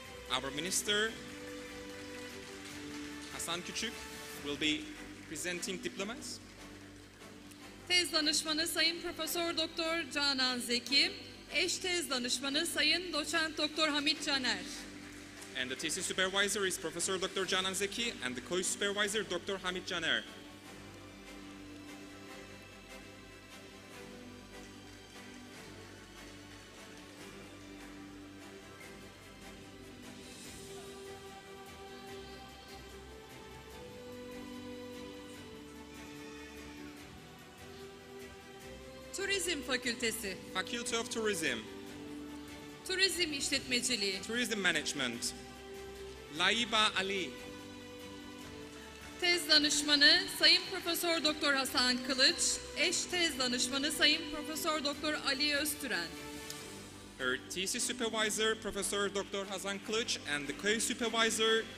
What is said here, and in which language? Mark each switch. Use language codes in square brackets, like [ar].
[en] Our minister Hasan Küçük will be presenting diplomas. [tr] Tez danışmanı Sayın Profesör Doktor Canan Zeki, eş tez danışmanı Sayın Doçent Doktor Hamit Caner. [en] And the thesis supervisor is Professor Doktor Canan Zeki and the co-supervisor Doktor Hamit Caner. [tr] Turizm Fakültesi. [en] Faculty of Tourism. [tr] Turizm İşletmeciliği. [en] Tourism Management. Laiba Ali. [tr] Tez danışmanı Sayın Profesör Doktor Hasan Kılıç, eş tez danışmanı Sayın Profesör Doktor Ali Öztüren. [en] Her thesis supervisor Professor Doktor Hasan Kılıç and the co-supervisor